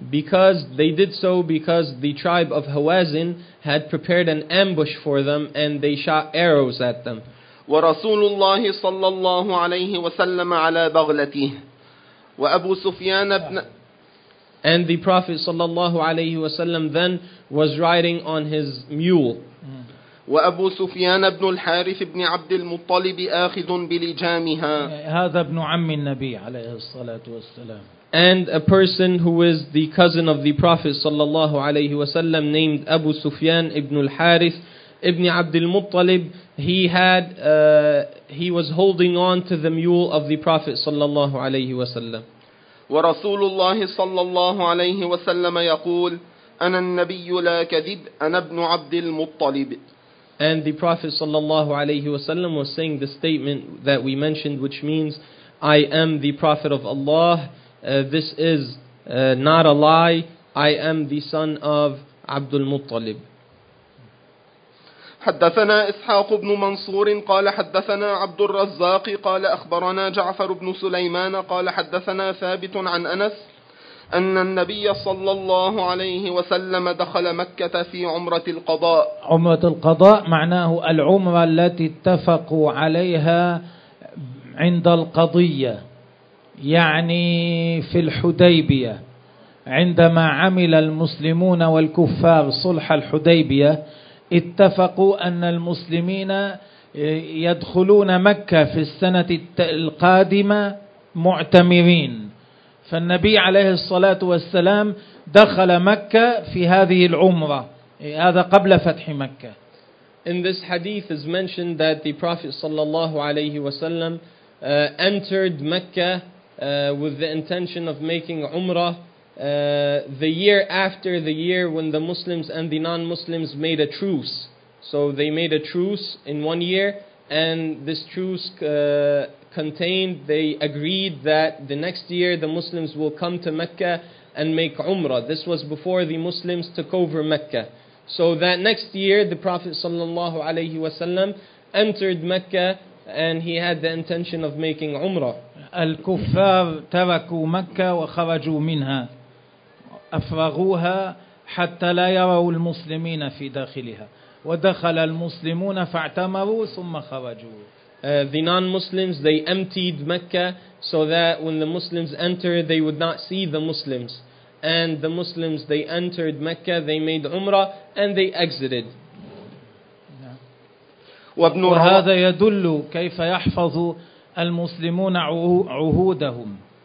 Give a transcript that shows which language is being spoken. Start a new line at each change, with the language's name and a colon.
English: Because they did so because the tribe of Hawazin had prepared an ambush for them and they shot arrows at them.
Arabic: ورسول الله صلى الله عليه وسلم على بغلته وأبو سفيان ابن
English: And the Prophet sallallahu alayhi wa sallam then was riding on his mule.
Arabic: وأبو سفيان ابن الحارث ابن عبد المطلب آخذ بلجامها. هذا ابن عم النبي عليه الصلاة والسلام.
English: And a person who is the cousin of the Prophet sallallahu alayhi wa sallam named Abu Sufyan ibn al-Harith ibn Abd al-Muttalib, he was holding on to the mule of the Prophet sallallahu alayhi wa sallam.
Arabic: ورسول الله صلى الله عليه وسلم يقول أنا النبي لا كذب أنا ابن عبد المطلب.
English: And the Prophet sallallahu alayhi wa sallam was saying the statement that we mentioned, which means I am the Prophet of Allah. This is not a lie. I am the son of Abdul Muttalib.
Arabic: حدثنا إسحاق بن منصور قال حدثنا عبد الرزاق قال أخبرنا جعفر بن سليمان قال حدثنا ثابت عن أنس أن النبي صلى الله عليه وسلم دخل مكة في عمرة القضاء. عمرة القضاء معناه العمرة التي اتفقوا عليها عند القضية. يعني في الحديبية عندما عمل المسلمون والكفار صلح الحديبية اتفقوا أن المسلمين يدخلون مكة في السنة القادمة معتمرين فالنبي عليه الصلاة والسلام دخل مكة في هذه العمرة هذا قبل فتح مكة.
English: In this hadith is mentioned that the Prophet
Arabic: صلى الله عليه وسلم
English: entered Mecca with the intention of making Umrah the year after the year when the Muslims and the non-Muslims made a truce. So they made a truce in one year, and this truce contained, they agreed that the next year the Muslims will come to Mecca and make Umrah. This was before the Muslims took over Mecca. So that next year the Prophet sallallahu alayhi wasallam entered Mecca and he had the intention of making Umrah.
Arabic: الكفار تركوا مكة وخرجوا منها أفرغوها حتى لا يروا المسلمين في داخلها ودخل المسلمون فاعتمروا ثم خرجوا
English: The non-Muslims, they emptied Mecca so that when the Muslims enter they would not see the Muslims. And the Muslims, they entered Mecca, they made Umrah and they exited.
Arabic: وهذا يدل كيف يحفظ المسلمون عهودهم.